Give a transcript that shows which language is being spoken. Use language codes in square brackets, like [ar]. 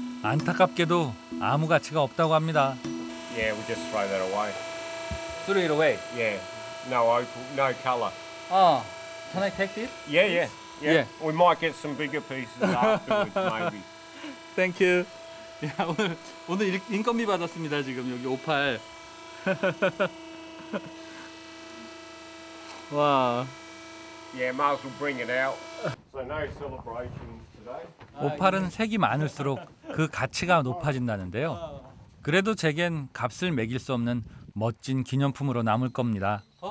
[ko] 안타깝게도 아무 가치가 없다고 합니다. [en] Yeah, we just throw that away. Throw it away. Yeah. No opal. No color. Oh. Can I take this? Yeah. Yeah. Yeah. We might get some bigger pieces afterwards, maybe. Thank you. [ko] 오늘 인건비 받았습니다, 지금 여기 오팔. 와. [en] Yeah, might as well bring it out. So no celebrations today. [ko] 오팔은 색이 많을수록 그 가치가 높아진다는데요. 그래도 제겐 값을 매길 수 없는 멋진 기념품으로 남을 겁니다.